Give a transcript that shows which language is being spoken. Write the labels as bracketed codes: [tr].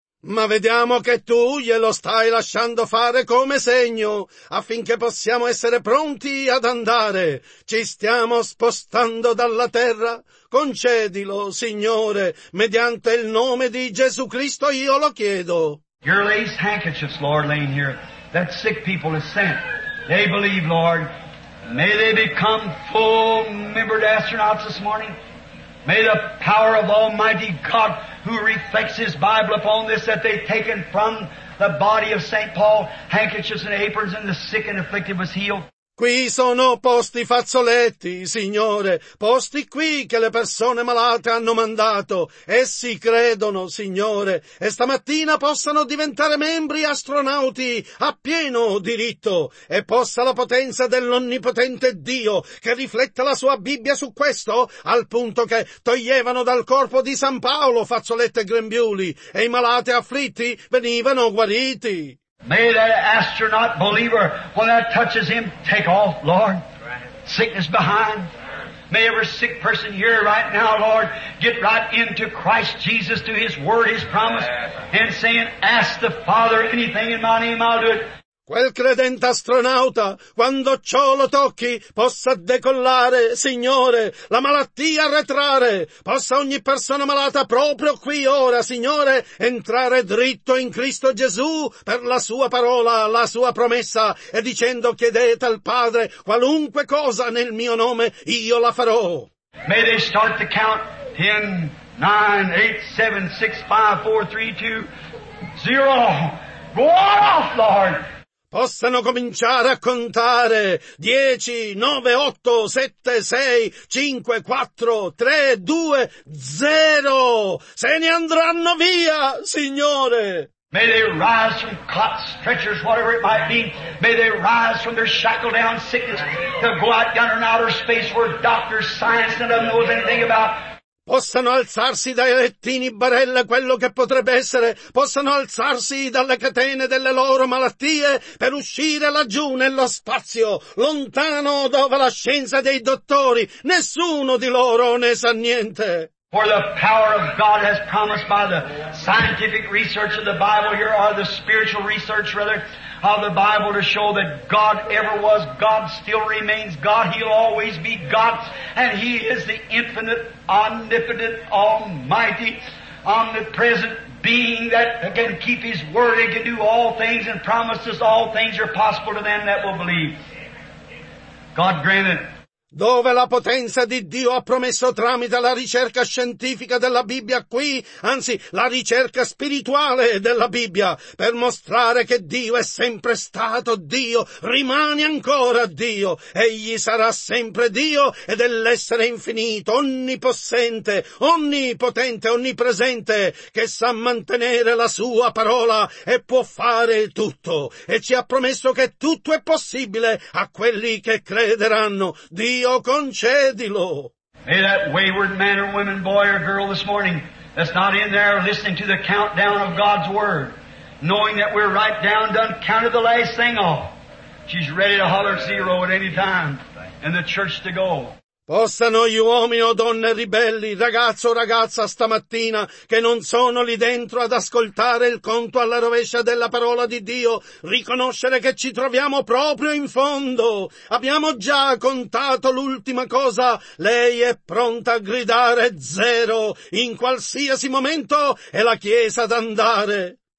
[it] Ma vediamo che tu glielo stai lasciando fare come segno, affinché possiamo essere pronti ad andare. Ci stiamo spostando dalla terra. Concedilo, Signore, mediante il nome di Gesù Cristo io lo chiedo. [en] Your lace handkerchiefs, Lord, laying here, that sick people have sent. They believe, Lord. May they become full-membered astronauts this morning. May the power of Almighty God, who reflects His Bible upon this, that they've taken from the body of St. Paul, handkerchiefs and aprons, and the sick and afflicted was healed. [it] Qui sono posti fazzoletti, Signore, posti qui che le persone malate hanno mandato. Essi credono, Signore, e stamattina possano diventare membri astronauti a pieno diritto, e possa la potenza dell'Onnipotente Dio, che riflette la sua Bibbia su questo, al punto che toglievano dal corpo di San Paolo fazzolette e grembiuli, e i malati afflitti venivano guariti. [en] May that astronaut believer, when that touches him, take off, Lord. Sickness behind. May every sick person here right now, Lord, get right into Christ Jesus, to His Word, His promise, and saying, ask the Father anything in my name, I'll do it. [it] Quel credente astronauta, quando ciò lo tocchi, possa decollare, Signore, la malattia arretrare. Possa ogni persona malata proprio qui ora, Signore, entrare dritto in Cristo Gesù per la sua parola, la sua promessa, e dicendo: chiedete al Padre qualunque cosa nel mio nome, io la farò. [en] May they start the count 10, 9, 8, 7, 6, 5, 4, 3, 2, 0. Go off, Lord! [it] Possano cominciare a contare 10, 9, 8, 7, 6, 5, 4, 3, 2, 0. Se ne andranno via, Signore. [en] May they rise from cots, stretchers, whatever it might be. May they rise from their shackled down sickness to go out down in outer space where doctors, science, none of them knows anything about. [it] Possano alzarsi dai lettini barella, quello che potrebbe essere. Possano alzarsi dalle catene delle loro malattie per uscire laggiù nello spazio, lontano dove la scienza dei dottori, nessuno di loro ne sa niente. [en] For the power of God has promised by the scientific research of the Bible here, or the spiritual research rather, of the Bible to show that God ever was, God still remains God, He'll always be God, and He is the infinite, omnipotent, almighty, omnipresent being that can keep His word and can do all things and promises all things are possible to them that will believe. God grant it. [it] Dove la potenza di Dio ha promesso tramite la ricerca scientifica della Bibbia qui, anzi la ricerca spirituale della Bibbia, per mostrare che Dio è sempre stato Dio, rimane ancora Dio, Egli sarà sempre Dio, ed è l'essere infinito, onnipossente, onnipotente, onnipresente, che sa mantenere la sua parola e può fare tutto, e ci ha promesso che tutto è possibile a quelli che crederanno. Dio concedilo. [en] May that wayward man or woman, boy or girl this morning that's not in there listening to the countdown of God's word, knowing that we're right down, done counted the last thing off, she's ready to holler zero at any time in the church to go. [it] Possano gli uomini o donne ribelli, ragazzo o ragazza stamattina, che non sono lì dentro ad ascoltare il conto alla rovescia della parola di Dio, riconoscere che ci troviamo proprio in fondo. Abbiamo già contato l'ultima cosa. Lei è pronta a gridare zero in qualsiasi momento e la Chiesa ad andare.